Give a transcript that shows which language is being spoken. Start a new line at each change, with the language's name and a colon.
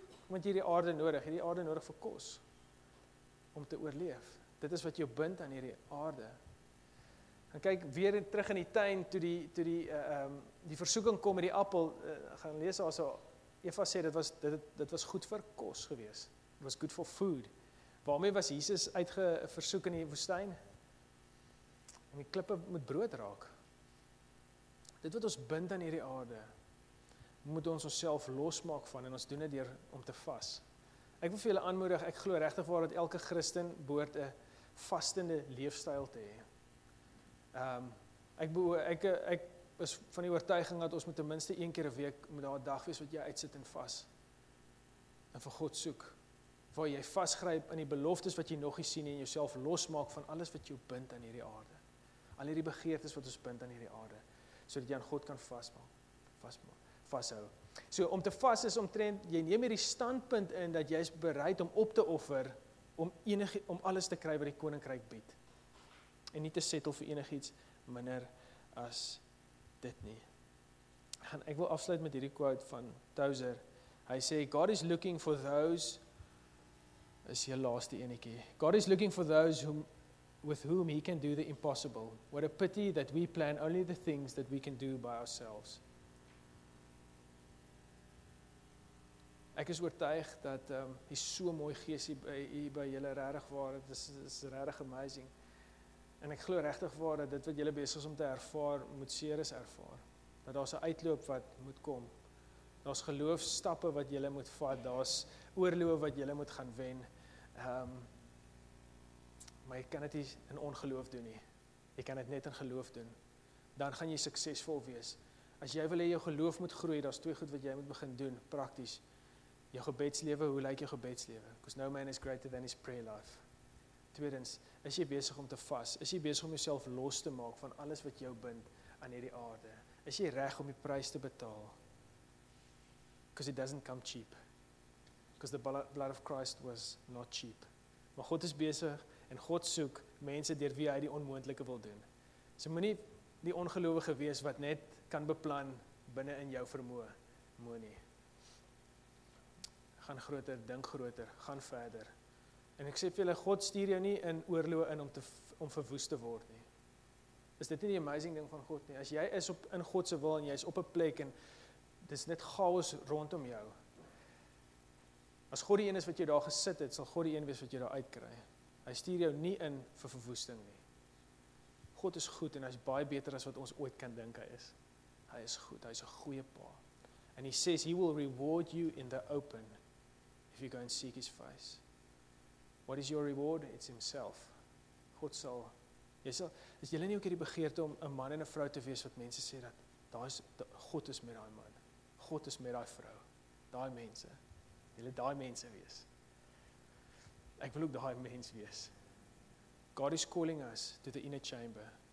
Afrikaans: Want jy hierdie aarde nodig, hierdie aarde nodig vir kos, om te oorleef. Dit is wat jou bind aan hierdie aarde. En kyk, weer terug in die tuin, toe die versoeking kom met die appel, gaan lees as Eva sê, dit was goed vir kos gewees.
English: It was good for food.
Afrikaans: Waarmee was Jesus uitgeversoek in die woestijn? Om die klippe met brood raak. Dit wat ons bind aan hierdie aarde, moet ons onsself losmaak van, en ons doen dit hier om te vas. Ek wil vir julle aanmoedig, ek glo regtig waar dat elke Christen behoort 'n vastende leefstyl te hê. Ek is van die oortuiging dat ons moet ten minste een keer 'n week met daardie dag wees wat jy uitsit en vas en vir God soek, waar jy vasgryp in die beloftes wat jy nog nie sien en jouself losmaak van alles wat jou bind aan hierdie aarde, al hierdie begeertes wat ons bind aan hierdie aarde, sodat jy aan God kan vashou. So om te vas is omtrent, jy neem hierdie standpunt in dat jy is bereid om op te offer om alles te kry wat die koninkryk bied. En nie te settel vir enigiets minder as dit nie. En ek wil afsluit met hierdie quote van Tozer. Hy sê,
English: God is looking for those,
Afrikaans: is hier laaste enetjie,
English: God is looking for those with whom he can do the impossible. What a pity that we plan only the things that we can do by ourselves.
Afrikaans: Ek is oortuig dat hier so mooi gees hier by julle regtig waar, dit is regtig amazing. En ek glo regtig waar dat dit wat julle besig is om te ervaar, moet seer is ervaar. Dat daar is 'n uitloop wat moet kom. Daar is geloofstappe wat julle moet vat, daar is oorloof wat julle moet gaan wen. Maar jy kan dit nie in ongeloof doen nie. Jy kan dit net in geloof doen. Dan gaan jy suksesvol wees. As jy wil hê jou geloof moet groei, daar is twee goed wat jy moet begin doen, prakties. Jou gebedslewe, hoe lyk jou gebedslewe?
English: Because no man is greater than his prayer life.
Afrikaans: Tweedens, is jy besig om te vas? Is jy besig om jouself los te maak van alles wat jou bind aan hierdie aarde? Is jy reg om die prys te betaal?
English: Because it doesn't come cheap. Because the blood of Christ was not cheap.
Afrikaans: Maar God is besig en God soek mense deur wie hy die onmoontlike wil doen. So moenie die ongelowige wees wat net kan beplan binne in jou vermoë. Moenie. Gaan groter, dink groter, gaan verder. En ek sê vir julle, God stuur jou nie in oorlog in om verwoes te word nie. Is dit nie die amazing ding van God nie? As jy is in God se wil en jy is op 'n plek en dis net chaos rondom jou. As God die een is wat jy daar gesit het, sal God die een wees wat jy daar uitkry. Hy stuur jou nie in vir verwoesting nie. God is goed en hy is baie beter as wat ons ooit kan dink hy is. Hy is goed, hy is 'n goeie pa.
English: And he says he will reward you in the open. If you go and seek his face. What is your reward? It's himself.
Afrikaans: God sal. Is jy nie ook hierdie begeerte om 'n man en 'n vrou te wees wat mense sê dat daar is, God is met daai man. God is met daai vrou. Daai mense. Jy wil daai mense wees. Ek wil ook daai mens wees.
English: God is calling us to the inner chamber.